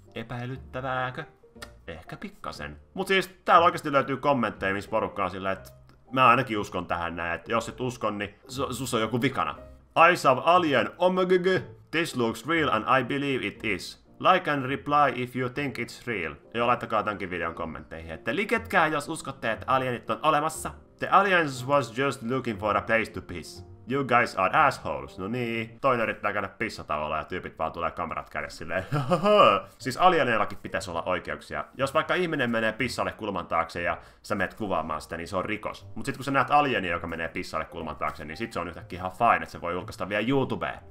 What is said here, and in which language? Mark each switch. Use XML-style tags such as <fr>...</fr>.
<fi>Epäilyttävääkö? Ehkä pikkasen. Mut siis, täällä oikeasti löytyy kommentteja, missä porukka on silleen, että mä ainakin uskon tähän näin, että jos et uskon, niin sus on joku vikana.</fi> <en>I saw alien, omgg, this looks real and I believe it is. Like and reply if you think it's real.</en> <fi>Joo, laittakaa tämänkin videon kommentteihin, että liketkää, jos uskotte, että alienit on olemassa.</fi> <en>The aliens was just looking for a place to piss. You guys are assholes.</en> <fi>No niin, toinen yrittää käydä pissatavalla ja tyypit vaan tulee kamerat kädessä silleen. Siis alienillakin pitäisi olla oikeuksia. Jos vaikka ihminen menee pissalle kulman taakse ja sä menet kuvaamaan sitä, niin se on rikos. Mut sit kun sä näet alienia, joka menee pissalle kulman taakse, niin sit se on yhtäkkiä ihan fine, että se voi julkaista vielä YouTubeen.</fi>